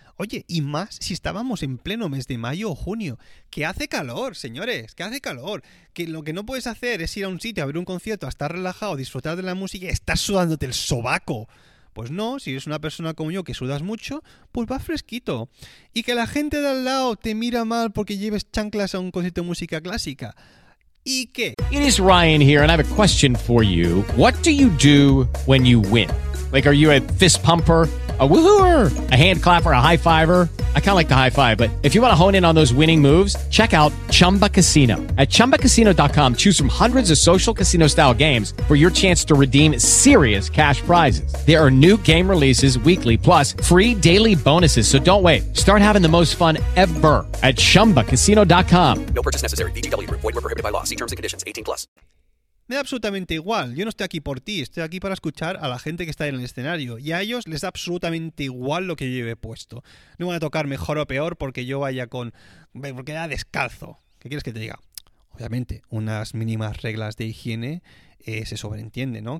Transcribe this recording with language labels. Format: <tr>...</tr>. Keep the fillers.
<es>Oye, y más si estábamos en pleno mes de mayo o junio, que hace calor, señores, que hace calor, que lo que no puedes hacer es ir a un sitio a ver un concierto, a estar relajado, disfrutar de la música y estás sudándote el sobaco. Pues no, si eres una persona como yo que sudas mucho, pues va fresquito. Y que la gente de al lado te mira mal porque lleves chanclas a un concierto de música clásica. ¿Y qué?</es> <en>It is Ryan here and I have a question for you. What do you do when you win? Like are you a fist pumper? a woohooer, a hand clapper, a high fiver. I kind of like the high five, but if you want to hone in on those winning moves, check out Chumba Casino. At ChumbaCasino.com, choose from hundreds of social casino style games for your chance to redeem serious cash prizes. There are new game releases weekly, plus free daily bonuses. So don't wait. Start having the most fun ever at ChumbaCasino.com. No purchase necessary. BGW. Void were prohibited by law. See terms and conditions. 18 plus.</en> <es>Me da absolutamente igual. Yo no estoy aquí por ti, estoy aquí para escuchar a la gente que está en el escenario. Y a ellos les da absolutamente igual lo que yo lleve puesto. No van a tocar mejor o peor porque yo vaya con. porque da descalzo. ¿Qué quieres que te diga? Obviamente, unas mínimas reglas de higiene eh, se sobreentiende, ¿no?</es>